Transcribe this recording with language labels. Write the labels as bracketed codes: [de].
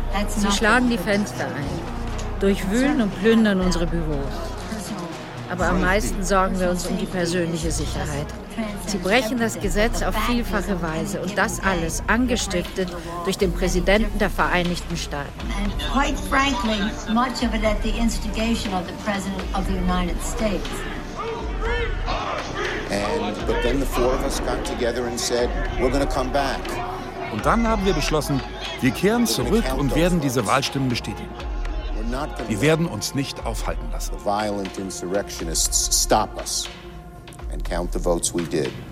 [de] Sie schlagen die Fenster ein, durchwühlen und plündern unsere Büros. Aber am meisten sorgen wir uns um die persönliche Sicherheit. Sie brechen das Gesetz auf vielfache Weise und das alles angestiftet durch den Präsidenten der Vereinigten Staaten. [en] Quite frankly, much of it at the instigation of the President of the United States. But then the four of us got together and said, we're going to come back. [de] Und dann haben wir beschlossen, wir kehren zurück und werden diese Wahlstimmen bestätigen. Wir werden uns nicht aufhalten lassen. [en] Violent insurrectionists stop us and count the votes we did.